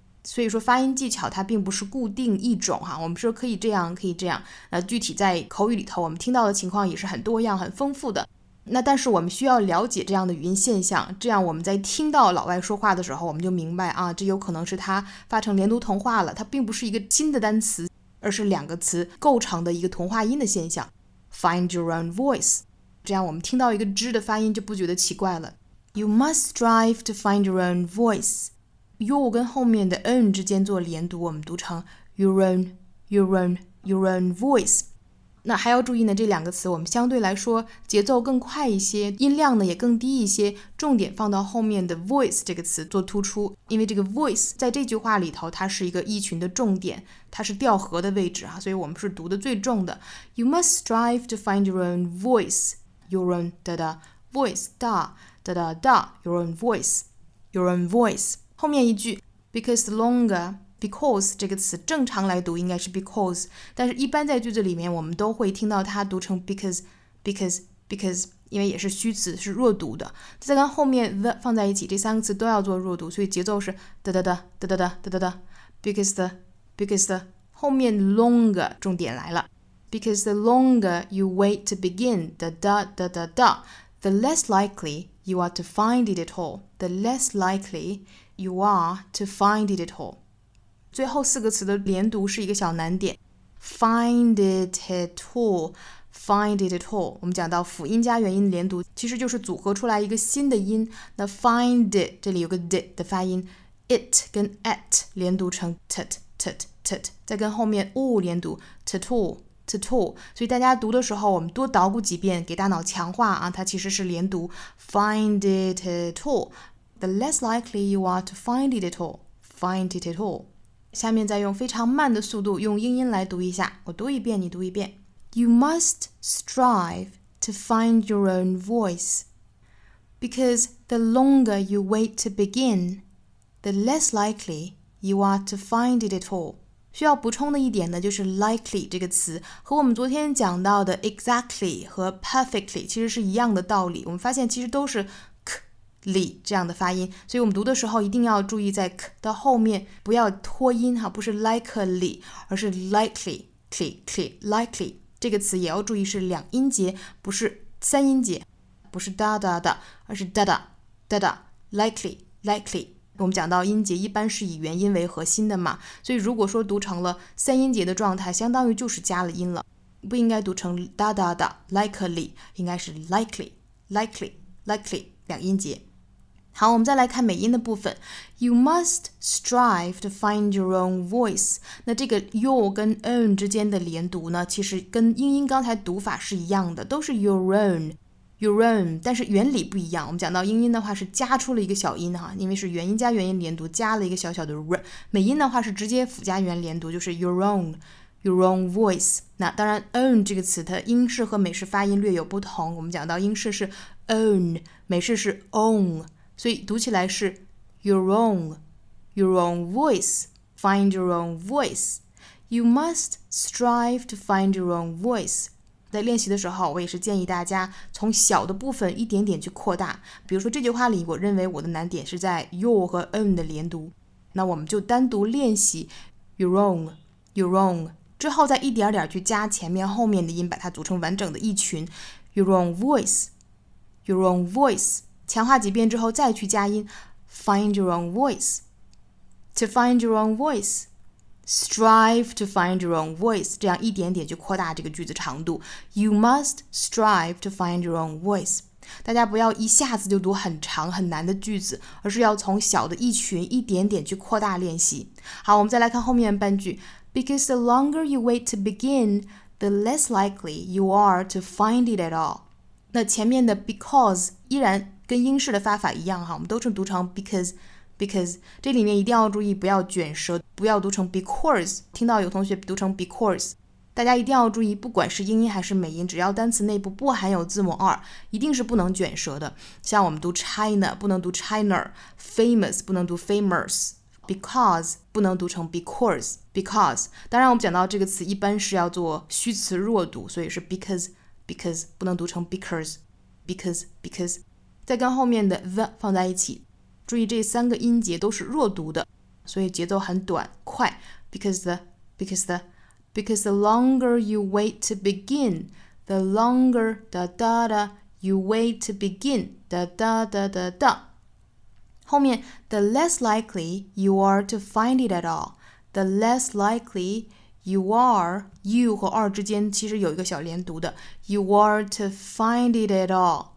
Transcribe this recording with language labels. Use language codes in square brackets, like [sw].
[zh] 所以说发音技巧它并不是固定一种哈，我们说可以这样可以这样，那具体在口语里头我们听到的情况也是很多样很丰富的，那但是我们需要了解这样的语音现象，这样我们在听到老外说话的时候我们就明白啊，这有可能是他发成连读同化了，它并不是一个新的单词，而是两个词构成的一个同化音的现象。 [en] Find your own voice, [zh] 这样我们听到一个知的发音就不觉得奇怪了。 [en] You must strive to find your own voiceYour [zh] 跟后面的 [en] own [zh] 之间做连读，我们读成 [en] your own, your own, your own voice。 [zh] 那还要注意呢，这两个词我们相对来说节奏更快一些，音量呢也更低一些，重点放到后面的 voice 这个词做突出，因为这个 voice 在这句话里头它是一个意群的重点，它是调和的位置，所以我们是读的最重的。 [en] You must strive to find your own voice, your own da da voice, da da da da, your own voice, your own voice。 [zh] 后面一句 because longer, because 这个词正常来读应该是 because, 但是一般在句子里面我们都会听到它读成 because, because, because, 因为也是虚词是弱读的，再跟后面 the 放在一起，这三个词都要做弱读，所以节奏是哒哒哒哒哒哒哒哒哒 because the, [en] because the, [zh] 后面 [en] longer [zh] 重点来了 [en] because the longer you wait to begin, da da da da da, the less likely you are to find it at all, the less likelyYou are to find it at all. [zh] 最后四个词的连读是一个小难点。 [en] Find it at all, find it at all. [zh] 我们讲到辅音加元音连读，其实就是组合出来一个新的音。那 find it, 这里有个 d 的发音。 [en] It 跟 at 连读成 tut, tut, tut. [zh] 再跟后面 [en] all 连读 tut all, tut all. [zh] 所以大家读的时候我们多捣鼓几遍给大脑强化啊，它其实是连读。 [en] Find it at all. The less likely you are to find it at all. Find it at all. [zh] 下面再用非常慢的速度用英音来读一下。我读一遍，你读一遍。 [en] You must strive to find your own voice. Because the longer you wait to begin, the less likely you are to find it at all. [zh] 需要补充的一点呢，就是 likely 这个词和我们昨天讲到的 exactly 和 perfectly 其实是一样的道理。我们发现其实都是ly 这样的发音，所以我们读的时候一定要注意在 k 的后面不要拖音哈，不是 likely 而是 likely, cli, cli, likely 这个词也要注意是两音节不是三音节，不是 da da da 而是 da da da da likely likely 我们讲到音节一般是以元音为核心的嘛，所以如果说读成了三音节的状态，相当于就是加了音了，不应该读成哒哒哒 likely， 应该是 likely likely likely 两音节。好，我们再来看美音的部分。 [en] You must strive to find your own voice。 [zh] 那这个 your 跟 own 之间的连读呢，其实跟英音刚才读法是一样的，都是 your own your own， 但是原理不一样。我们讲到英音的话是加出了一个小音哈，因为是元音加元音连读，加了一个小小的 r。美音的话是直接辅加元连读，就是 your own your own voice。那当然 own 这个词的英式和美式发音略有不同，我们讲到英式是 own， 美式是 own，所以读起来是 [en] your own voice, find your own voice. You must strive to find your own voice. [zh] 在练习的时候，我也是建议大家从小的部分一点点去扩大。比如说这句话里，我认为我的难点是在 your 和 own 的连读，那我们就单独练习 your own, 之后再一点点去加前面后面的音，把它组成完整的一群 [en] your own voice, your own voice. [zh] 强化几遍之后再去加音 [en] find your own voice, [zh] to find your own voice, strive to find your own voice, 这样一点点就扩大这个句子长度。 [en] You must strive to find your own voice。 [zh] 大家不要一下子就读很长很难的句子，而是要从小的一群一点点去扩大练习。好，我们再来看后面半句。 [en] Because the longer you wait to begin, the less likely you are to find it at all。 [zh] 那前面的 because 依然跟英式的发法一样哈，我们都是读成 because because， 这里面一定要注意不要卷舌，不要读成 because， 听到有同学读成 because， 大家一定要注意，不管是英音还是美音，只要单词内部不含有字母二，一定是不能卷舌的。像我们读 China 不能读 China， famous 不能读 famous， because 不能读成 because because， 当然我们讲到这个词一般是要做虚词弱读，所以是 because because， 不能读成 because because because，再跟后面的 the 放在一起，注意这三个音节都是弱读的，所以节奏很短快。 [en] Because the because the because the longer you wait to begin, the longer da da da you wait to begin da da da da da， [zh] 后面 [en] the less likely you are to find it at all， the less likely you are， [zh] you 和二之间其实有一个小连读的， [en] you are to find it at all。